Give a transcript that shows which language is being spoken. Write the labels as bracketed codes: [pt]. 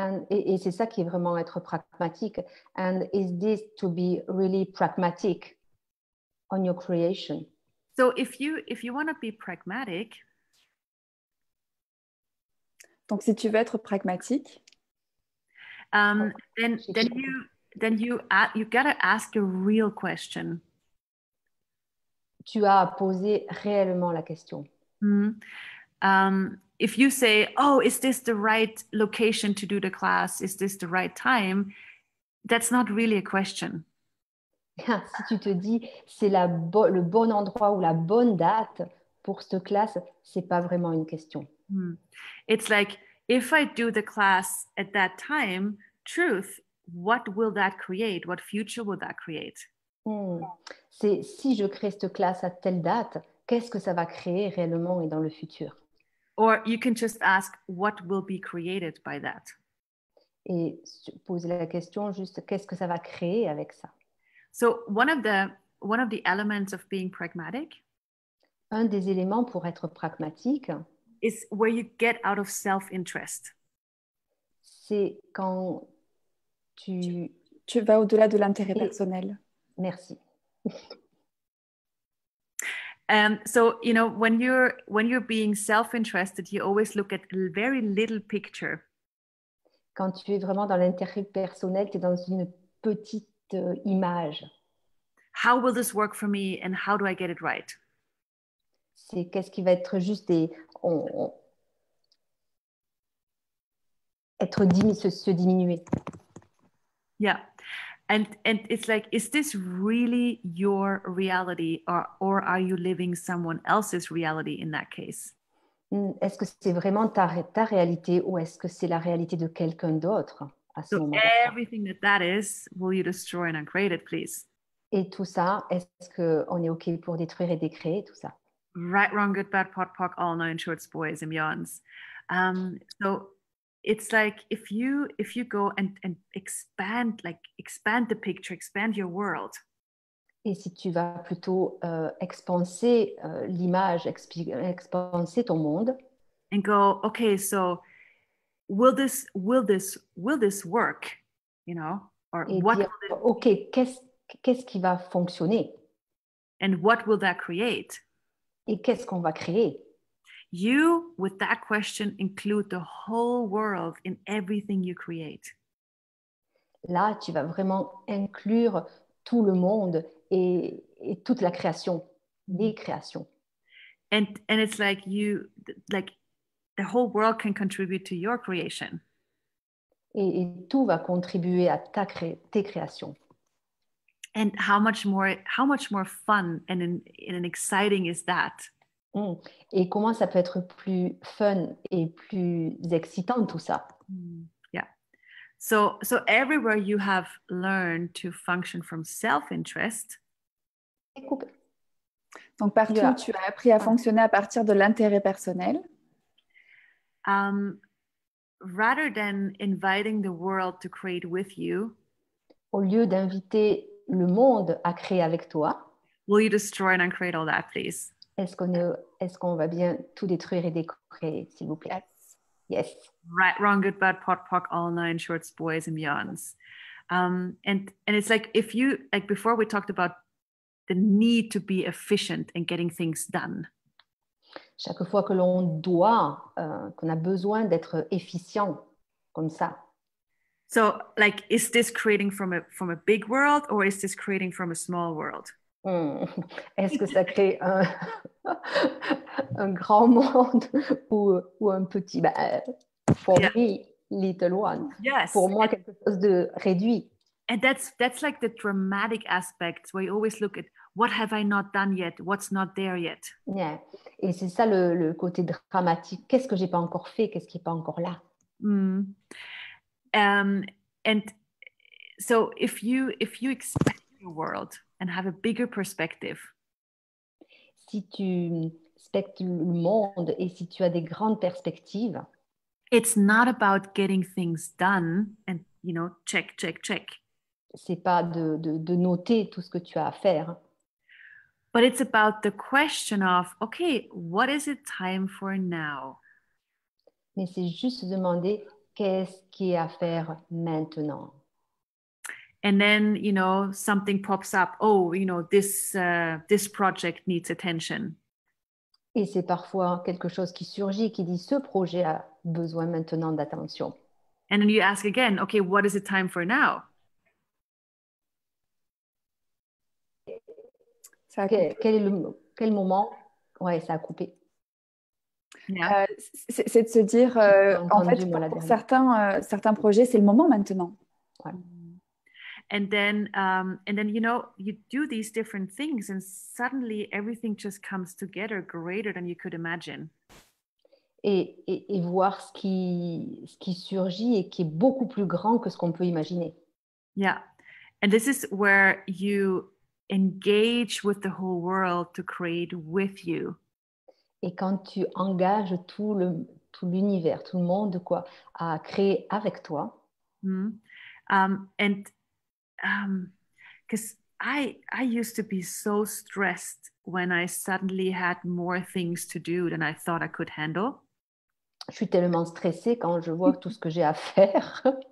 [fr] Et c'est ça qui est vraiment être pragmatique. [en] And is this to be really pragmatic on your creation? So if you want to be pragmatic. [fr] Donc si tu veux être pragmatique. [en] Then you gotta ask a real question. [fr] Tu as à poser réellement la question. [en] If you say, oh, is this the right location to do the class? Is this the right time? That's not really a question. [fr] Si tu te dis, c'est le bon endroit ou la bonne date pour cette classe, c'est pas vraiment une question. [en] It's like, if I do the class at that time, truth, what will that create? What future will that create? [fr] C'est si je crée cette classe à telle date, qu'est-ce que ça va créer réellement et dans le futur? [en] Or you can just ask, what will be created by that? [fr] Et poser la question juste, qu'est-ce que ça va créer avec ça? [en] So one of the elements of being pragmatic, [fr] un des éléments pour être pragmatique, [en] is where you get out of self-interest. [fr] C'est quand tu vas au-delà de l'intérêt personnel. Merci. [en] So you know, when you're being self-interested, you always look at very little picture. [fr] Quand tu es vraiment dans l'intérêt personnel, tu es dans une petite image. [en] How will this work for me and how do I get it right? [fr] C'est qu'est-ce qui va être juste et on être se diminuer. [en] Yeah. And it's like, is this really your reality or are you living someone else's reality in that case? [fr] Est-ce que c'est vraiment ta réalité ou est-ce que c'est la réalité de quelqu'un d'autre à ce moment-là? [en] So everything that is, will you destroy and uncreate it, please? [fr] Et tout ça, est-ce qu'on est OK pour détruire et décréer tout ça? [en] Right, wrong, good, bad, pot, pock, all nine shorts, boys and beyonds. So it's like if you go and expand the picture, expand your world. [fr] Et si tu vas plutôt expanser l'image, expanser ton monde. [en] And go, okay, so will this work, you know? [fr] Or et what dire, [en] will this OK, [fr] qu'est-ce qui va fonctionner? [en] And what will that create? [fr] Et qu'est-ce qu'on va créer? [en] You, with that question, include the whole world in everything you create. [fr] Là, tu vas vraiment inclure tout le monde et toute la création, les créations. [en] And it's like you, like the whole world can contribute to your creation. [fr] Et tout va contribuer à tes créations. [en] And how much more fun and exciting is that? [fr] Et comment ça peut être plus fun et plus excitant tout ça? [en] Yeah. So everywhere you have learned to function from self-interest. [fr] Donc partout tu as appris à fonctionner à partir de l'intérêt personnel. [en] Rather than inviting the world to create with you. [fr] Au lieu d'inviter le monde à créer avec toi. [en] Will you destroy and uncreate all that, please? [fr] Est-ce qu'on va bien tout détruire et décorer, s'il vous plaît? [en] Yes. Right, wrong, good, bad, pot, pock, all nine shorts, boys and beyonds. And it's like if you, like before we talked about the need to be efficient and getting things done. [fr] Chaque fois que l'on doit, qu'on a besoin d'être efficient comme ça. [en] So like, is this creating from a big world or is this creating from a small world? [fr] Est-ce que ça crée un grand monde ou un petit me, [en] little one? Yes. [fr] Pour moi, quelque chose de réduit. [en] And that's like the dramatic aspect where you always look at what have I not done yet, what's not there yet. Yeah. [fr] Et c'est ça le côté dramatique. Qu'est-ce que j'ai pas encore fait? Qu'est-ce qui est pas encore là? [en] And so if you expand your world and have a bigger perspective. [fr] Si tu spectres le monde et si tu as des grandes perspectives, [en] it's not about getting things done and, you know, check, check, check. [fr] C'est pas de noter tout ce que tu as à faire. [en] But it's about the question of, okay, what is it time for now? [fr] Mais c'est juste demander qu'est-ce qui est à faire maintenant. [en] And then, you know, something pops up. Oh, you know, this project needs attention. [fr] Et c'est parfois quelque chose qui surgit, qui dit ce projet a besoin maintenant d'attention. [en] And then you ask again, okay, what is it time for now? [fr] Ça a coupé. Quel moment? Ouais, ça a coupé. [en] Yeah. [fr] C'est de se dire, certains projets, c'est le moment maintenant. Ouais. [en] And then you know, you do these different things and suddenly everything just comes together greater than you could imagine. [fr] Et voir ce qui surgit et qui est beaucoup plus grand que ce qu'on peut imaginer. [en] Yeah. And this is where you engage with the whole world to create with you. [fr] Et quand tu engages tout l'univers, tout le monde, quoi, à créer avec toi. [en] I used to be so stressed when I suddenly had more things to do than I thought I could handle. [fr] Je suis tellement stressée quand je vois tout ce que j'ai à faire.